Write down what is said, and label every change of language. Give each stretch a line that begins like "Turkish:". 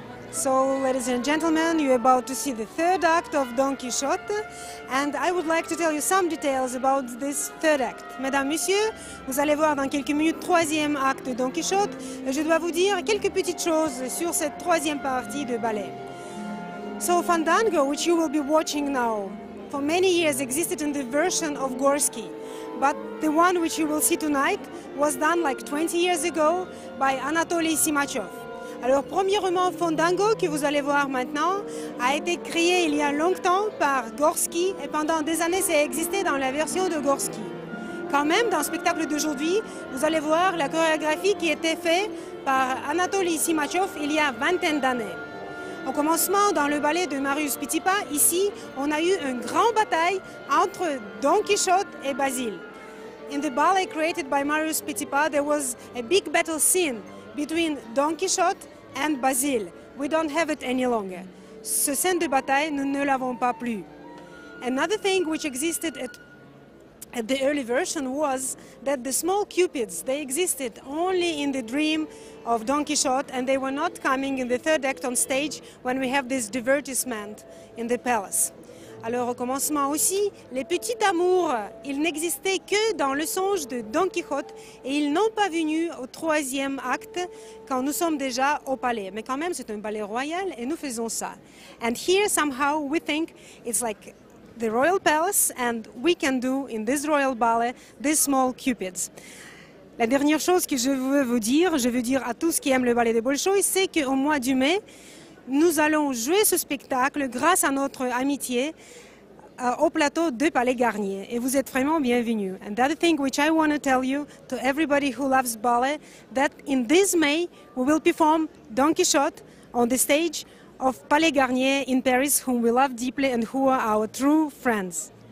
English: So, ladies and gentlemen, you're about to see the third act of Don Quixote, and I would like to tell you some details about this third act.
French: Mesdames, Messieurs, vous allez voir dans quelques minutes troisième acte de Don Quixote, et je dois vous dire quelques petites choses sur cette troisième partie de ballet.
English: So, Fandango, which you will be watching now, for many years existed in the version of Gorsky, but the one which you will see tonight was done like 20 years ago by Anatoly Simachov.
French: Alors, premièrement, Fandango, que vous allez voir maintenant, a été créé il y a longtemps par Gorsky et pendant des années, ça a existé dans la version de Gorsky. Quand même, dans le spectacle d'aujourd'hui, vous allez voir la chorégraphie qui était faite par Anatoly Simachov il y a vingtaine d'années. Au commencement, dans le ballet de Marius Petipa, ici, on a eu une grande bataille entre Don Quixote et Basile.
English: In the ballet created by Marius Petipa, there was a big battle scene between Don Quixote and Basile. We don't have it any longer.
French: Ce scène de bataille, nous ne l'avons pas plus.
English: Another thing which existed at the early version was that the small cupids, they existed only in the dream of Don Quixote and they were not coming in the third act on stage when we have this divertissement in the palace.
French: Alors au commencement aussi, les petits amours, ils n'existaient que dans le songe de Don Quixote et ils n'ont pas venu au troisième acte quand nous sommes déjà au palais. Mais quand même, c'est un palais royal et nous faisons ça.
English: And here somehow we think it's like the royal palace and we can do in this royal ballet these small cupids.
French: La dernière chose que je veux vous dire, je veux dire à tous qui aiment le ballet de Bolshoï, c'est qu'au mois de mai, nous allons jouer ce spectacle grâce à notre amitié au plateau de Palais Garnier et vous êtes vraiment bienvenus.
English: And the other thing which I want to tell you to everybody who loves ballet, that in this May we will perform Don Quixote on the stage of Palais Garnier in Paris, whom we love deeply and who are our true friends.